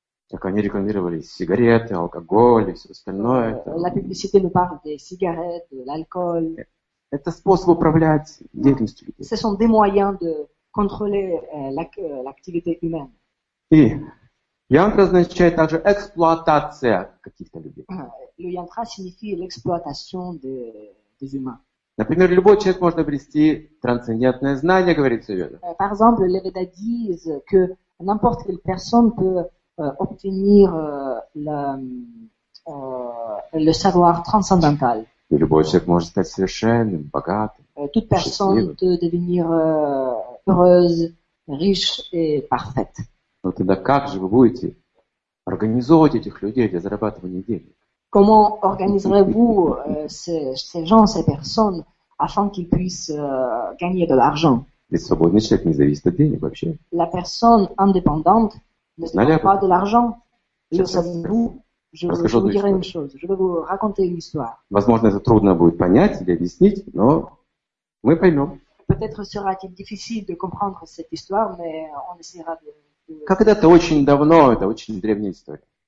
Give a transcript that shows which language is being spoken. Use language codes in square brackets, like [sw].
[ru] Так они рекламировали сигареты, алкоголь и все остальное. [fr] La publicité nous parle des cigarettes, de l'alcool. [ru] Это способ управлять деятельностью людей. [fr] Ce sont des moyens de contrôler l'activité humaine. [ru] И янтра означает также эксплуатация каких-то людей. [fr] Le yantra signifie l'exploitation des humains. [ru] Например, любой человек может обрести трансцендентное знание, говорит Саведа. [fr] Par exemple, les Védas disent que n'importe quelle personne peut obtenir le savoir transcendantal. [ru] И любой человек может стать совершенным, богатым, [fr] Toute personne peut devenir heureuse, riche et parfaite. [ru] Но тогда как же вы будете организовывать этих людей для зарабатывания денег? [fr] Comment organiserez-vous ces gens, ces personnes, afin qu'ils puissent gagner de l'argent? [ru] Ведь свободный человек не зависит от денег вообще. [fr] La personne indépendante ne dépend pas de l'argent. Le savez-vous? Je vais vous dire une chose. Je vais vous raconter une histoire. [ru] Возможно, это трудно будет понять или объяснить, но мы поймем. [fr] Peut-être sera-t-il difficile de comprendre cette histoire, mais on essaiera de. [ru] Когда-то очень давно, это очень древняя история.